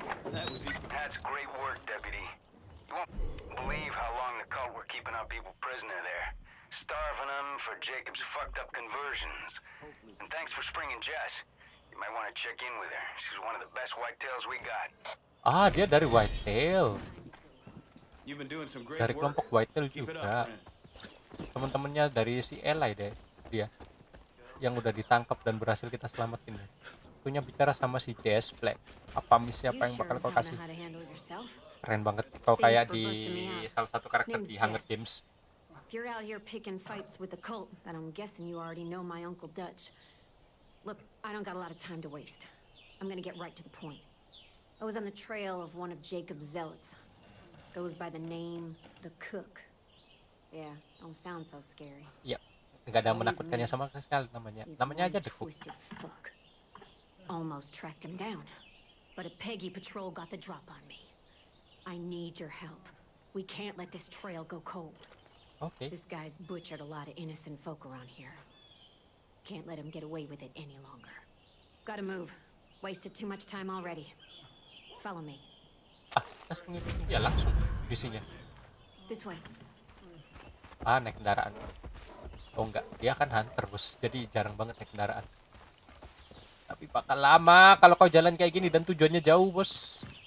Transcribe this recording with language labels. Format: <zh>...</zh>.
<en>That's great work, deputy. You won't believe how long the cult were keeping our people prisoner there, starving them for Jacob's fucked up conversions. And thanks for springing Jess. You might want to check in with her. She's one of the best whitetails we got.</en> <id>Ah, dia dari Whitetail.</id> <en>You've been doing some great work.</en> <id>Dari kelompok Whitetail juga. Teman-temannya dari si Eli deh, dia yang udah ditangkap dan berhasil kita selamatin. Punya bicara sama si Jess Black. Apa misi apa yang bakal kau kasih? Keren banget kau kayak di salah satu karakter di Hunger Games.</id> <en>If you're out here picking fights with the cult, then I'm guessing you already know my uncle Dutch. Look, I don't got a lot of time to waste. I'm gonna get right to the point. I was on the trail of one of Jacob's zealots. Goes by the name the Cook. Yeah, don't sound so scary.</en> <id>Yep, nggak ada menakutkannya sama sekali namanya. Namanya aja the Cook.</id> <en>Almost tracked him down, but a Peggy patrol got the drop on me. I need your help. We can't let this trail go cold. Okay. This guy's butchered a lot of innocent folk around here. Can't let him get away with it any longer. Gotta move. Wasted too much time already. Follow me.</en> <id>Ah, langsung itu ya langsung bisinya.</id> <en>This way.</en> <id>Ah, naik kendaraan. Oh enggak, dia kan hunter bos, jadi jarang banget naik kendaraan. Tapi bakal lama kalau kau jalan kayak gini dan tujuannya jauh bos.</id>